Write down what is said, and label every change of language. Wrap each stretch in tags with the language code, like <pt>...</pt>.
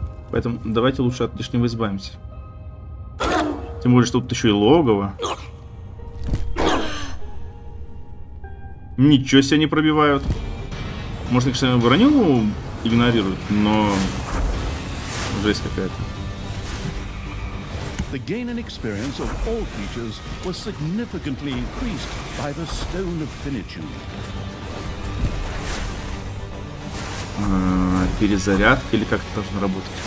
<ru>Поэтому давайте лучше от лишнего избавимся. Тем более, что тут еще и логово. Ничего себе не пробивают. Может, их сами броню игнорируют, но... Жесть какая-то.</ru> <en>The gain and experience of all creatures was significantly increased by the Stone of Finitude.</en> <ru>Перезарядка или как это должно работать?</ru>